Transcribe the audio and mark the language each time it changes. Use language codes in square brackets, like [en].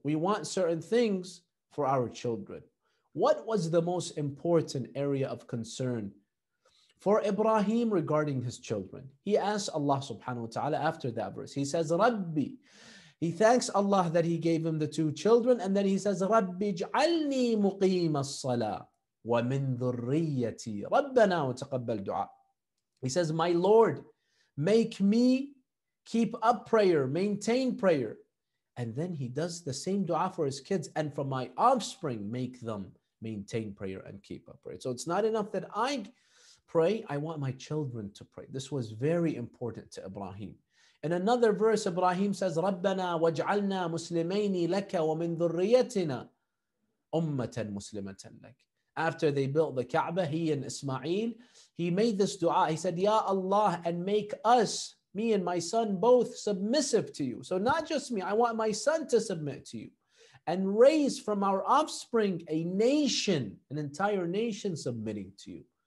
[en] We want certain things for our children. What was the most important area of concern for Ibrahim regarding his children? He asked Allah subhanahu wa ta'ala after that verse. He says, Rabbi. He thanks Allah that he gave him the two children. And then he says, [ar] رَبِّ اجْعَلْنِي مُقِيمَ الصَّلَاةِ وَمِنْ ذُرِّيَّتِي رَبَّنَا وَتَقَبَّلْ دُعَاءِ. [en] He says, My Lord, make me keep up prayer, maintain prayer. And then he does the same dua for his kids. And for my offspring, make them maintain prayer and keep up prayer. So it's not enough that I pray. I want my children to pray. This was very important to Ibrahim. In another verse, Ibrahim says, [ar] رَبَّنَا وَاجْعَلْنَا مُسْلِمَيْنِ لَكَ وَمِنْ ذُرِّيَّتِنَا أُمَّةً مُسْلِمَةً لَكَ. [en] After they built the Kaaba, he and Ismail, he made this dua. He said, Ya Allah, and make us, me and my son, both submissive to you. So not just me, I want my son to submit to you. And raise from our offspring a nation, an entire nation submitting to you.